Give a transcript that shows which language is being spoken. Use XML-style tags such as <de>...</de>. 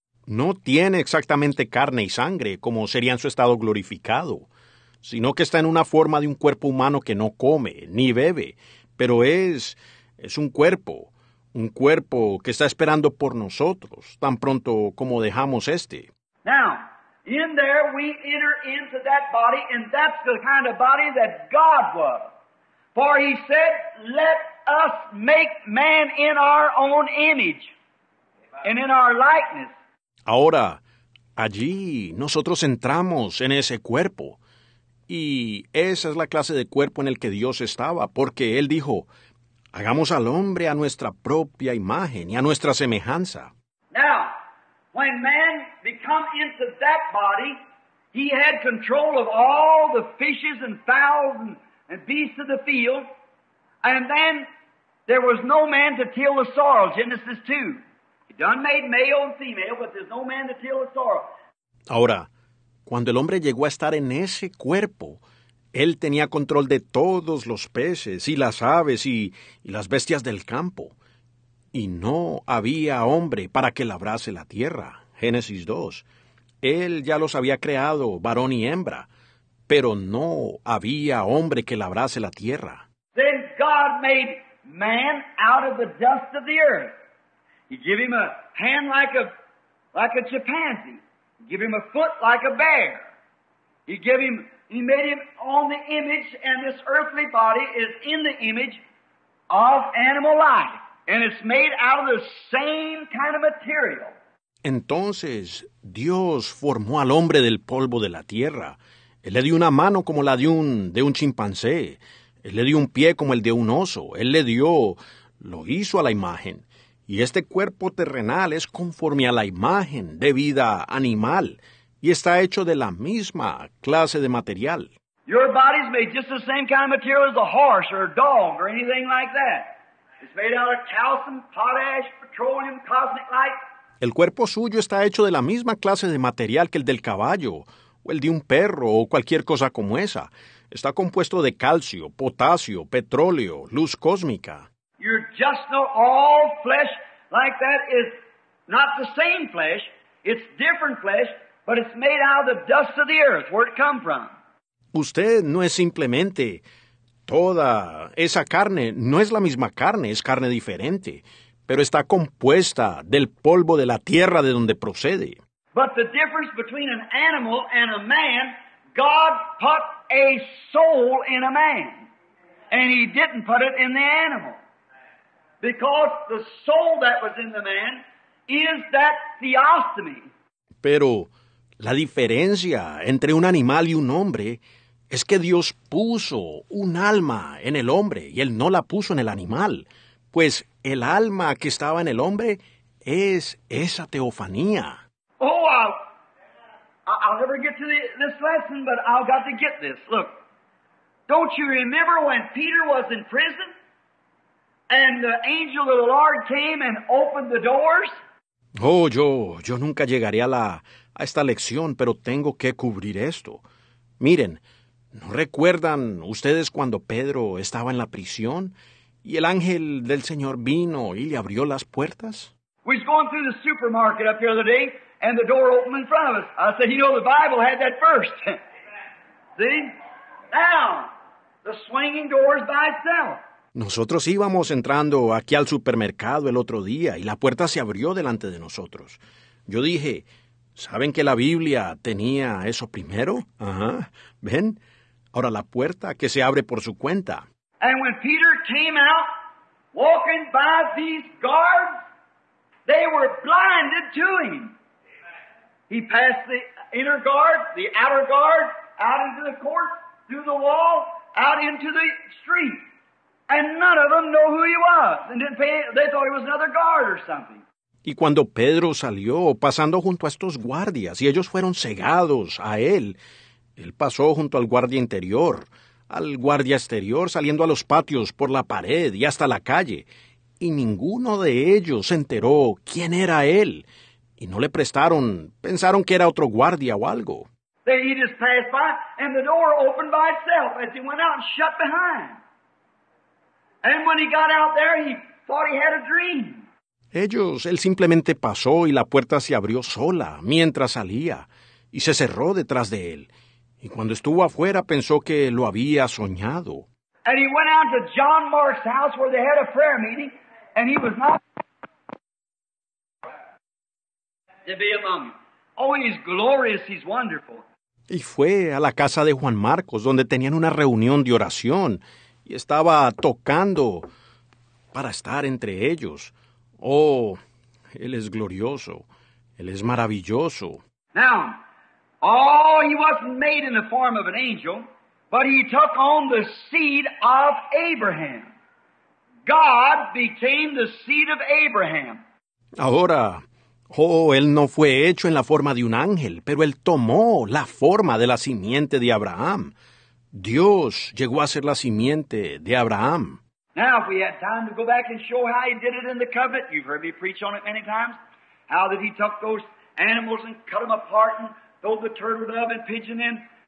<es>No tiene exactamente carne y sangre, como sería en su estado glorificado, sino que está en una forma de un cuerpo humano que no come ni bebe, pero es un cuerpo que está esperando por nosotros, tan pronto como dejamos este.</es> <en>Now, in there we enter into that body, and that's the kind of body that God was. For He said, let us make man in our own image, and in our likeness.</en> <es>Ahora, allí nosotros entramos en ese cuerpo, y esa es la clase de cuerpo en el que Dios estaba, porque Él dijo, Hagamos al hombre a nuestra propia imagen y a nuestra semejanza.</es> <en>Now, when man become into that body, he had control of all the fishes and fowls and beasts of the field, and then there was no man to till the soil, Genesis 2. He done made male and female, but there's no man to till the soil.</en> <es>Ahora, cuando el hombre llegó a estar en ese cuerpo, él tenía control de todos los peces y las aves y las bestias del campo. Y no había hombre para que labrase la tierra. Génesis 2. Él ya los había creado, varón y hembra, pero no había hombre que labrase la tierra.</es> <en>Then God made man out of the dust of the earth. He gave him a hand like a chimpanzee. He gave him a foot like a bear. He made him on the image, and this earthly body is in the image of animal life. And it's made out of the same kind of material.</en> <es>Entonces, Dios formó al hombre del polvo de la tierra. Él le dio una mano como la de un chimpancé. Él le dio un pie como el de un oso. Él lo hizo a la imagen. Y este cuerpo terrenal es conforme a la imagen de vida animal. Y está hecho de la misma clase de material.</es> <en>Your body's made just the same kind of material as a horse or a dog or anything like that. It's made out of calcium, potash, petroleum, cosmic light.</en> <es>El cuerpo suyo está hecho de la misma clase de material que el del caballo, o el de un perro, o cualquier cosa como esa. Está compuesto de calcio, potasio, petróleo, luz cósmica.</es> <en>You're just no all flesh like that is not the same flesh. It's different flesh, but it's made out of the dust of the earth, where it come from.</en> <es>Usted no es simplemente toda esa carne, no es la misma carne, es carne diferente, pero está compuesta del polvo de la tierra de donde procede.</es> <en>But the difference between an animal and a man, God put a soul in a man, and he didn't put it in the animal. Because the soul that was in the man is that theostomy.</en> <es>Pero la diferencia entre un animal y un hombre es que Dios puso un alma en el hombre y él no la puso en el animal, pues el alma que estaba en el hombre es esa teofanía.</es> <en>Oh, I'll never get to this lesson, but I've got to get this. Look, don't you remember when Peter was in prison and the angel of the Lord came and opened the doors?</en> <es>Oh, yo nunca llegaré a esta lección, pero tengo que cubrir esto. Miren, ¿no recuerdan ustedes cuando Pedro estaba en la prisión y el ángel del Señor vino y le abrió las puertas?</es> <en>We was going through the supermarket up the other day, and the door opened in front of us. I said, you know, the Bible had that first. See? Now, the swinging doors by itself.</en> <es>Nosotros íbamos entrando aquí al supermercado el otro día y la puerta se abrió delante de nosotros. Yo dije, ¿saben que la Biblia tenía eso primero? Ajá. ¿Ven? Ahora la puerta que se abre por su cuenta.</es> <en>And when Peter came out walking by these guards, they were blinded to him. He passed the inner guard, the outer guard, out into the court, through the wall, out into the street. And none of them knew who he was. And didn't pay, they thought he was another guard or something.</en> <es>Y cuando Pedro salió pasando junto a estos guardias y ellos fueron cegados a él, él pasó junto al guardia interior, al guardia exterior, saliendo a los patios por la pared y hasta la calle, y ninguno de ellos se enteró quién era él, y no le prestaron, pensaron que era otro guardia o algo.</es> <en>He just passed by, and the door opened by itself as he went out and shut behind. And when he got out there, he thought he had a dream.</en> <es>Él simplemente pasó y la puerta se abrió sola mientras salía y se cerró detrás de él. Y cuando estuvo afuera, pensó que lo había soñado.</es> <en>And he went out to John Mark's house where they had a prayer meeting, and he was not to be among you. Oh, he's glorious, he's wonderful.</en> <es>Y fue a la casa de Juan Marcos, donde tenían una reunión de oración, y estaba tocando para estar entre ellos. Oh, él es glorioso. Él es maravilloso.</es> <en>Now, oh, he wasn't made in the form of an angel, but he took on the seed of Abraham. God became the seed of Abraham.</en> <es>Ahora, él no fue hecho en la forma de un ángel, pero él tomó la forma de la simiente de Abraham. Dios llegó a ser la simiente de Abraham.</es> <en>Now, if we had time to go back and show how he did it in the covenant, you've heard me preach on it many times, how that he took those animals and cut them apart and throw the turtle dove and pigeon in.</en>